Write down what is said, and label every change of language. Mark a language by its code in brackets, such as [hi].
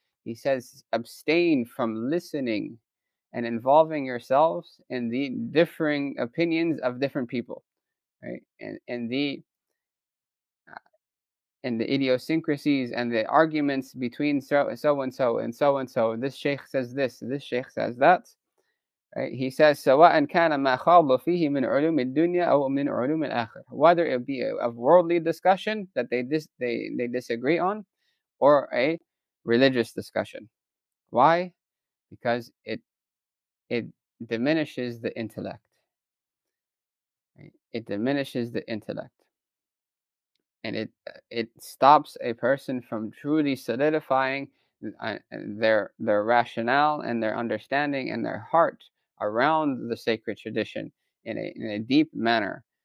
[en] He says abstain from listening and involving yourselves in the differing opinions of different people, right? And the and the idiosyncrasies and the arguments between so-and-so and so-and-so. This sheikh says this, this sheikh says that. Right? [ar] He says, سَوَاءً كَانَ مَا خَالُّ فِيهِ مِنْ عُلُومِ الدُّنْيَا أَوْ مِنْ عُلُومِ الْآخِرِ. [en] Whether it be a worldly discussion that they disagree on, or a religious discussion. Why? Because it diminishes the intellect. It diminishes the intellect. And it stops a person from truly solidifying their rationale and their understanding and their heart around the sacred tradition in a deep manner.